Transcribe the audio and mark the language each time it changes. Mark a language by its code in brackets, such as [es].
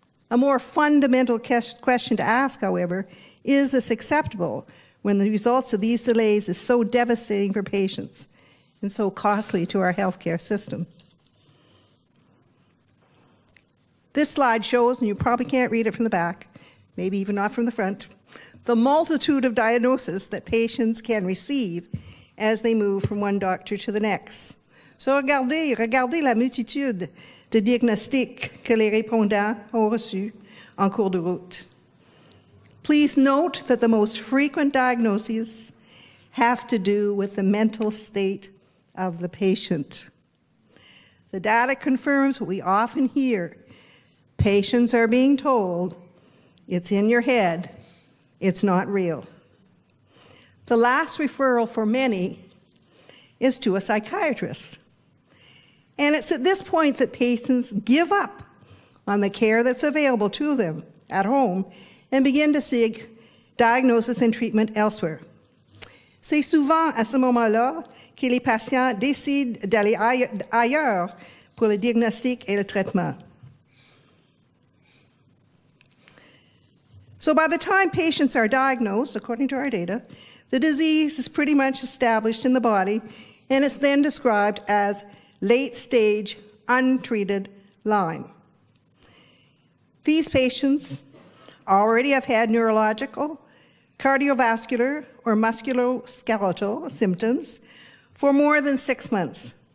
[en] A more fundamental question to ask, however, is this acceptable when the results of these delays is so devastating for patients and so costly to our healthcare system? This slide shows, and you probably can't read it from the back, maybe even not from the front, the multitude of diagnoses that patients can receive as they move from one doctor to the next. [fr] So regardez la multitude de diagnostics que les répondants ont reçus en cours de route. [en] Please note that the most frequent diagnoses have to do with the mental state of the patient. The data confirms what we often hear. Patients are being told, it's in your head, it's not real. The last referral for many is to a psychiatrist. And it's at this point that patients give up on the care that's available to them at home and begin to seek diagnosis and treatment elsewhere. [fr] C'est souvent à ce moment-là que les patients décident d'aller ailleurs pour le diagnostic et le traitement. [en] So by the time patients are diagnosed, according to our data, the disease is pretty much established in the body, and it's then described as late-stage untreated Lyme. These patients already have had neurological, cardiovascular, or musculoskeletal symptoms for more than 6 months.